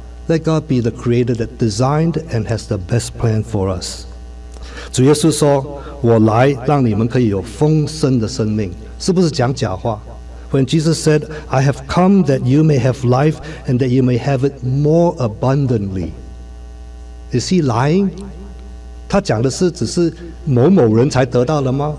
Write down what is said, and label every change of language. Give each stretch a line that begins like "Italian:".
English: Let God be the creator that designed and has the best plan for us.
Chinese: 主耶稣说，我来让你们可以有丰盛的生命，是不是讲假话？
English: When Jesus said, I have come that you may have life and that you may have it more abundantly. Is he lying?
Chinese: 他讲的是只是某某人才得到了吗？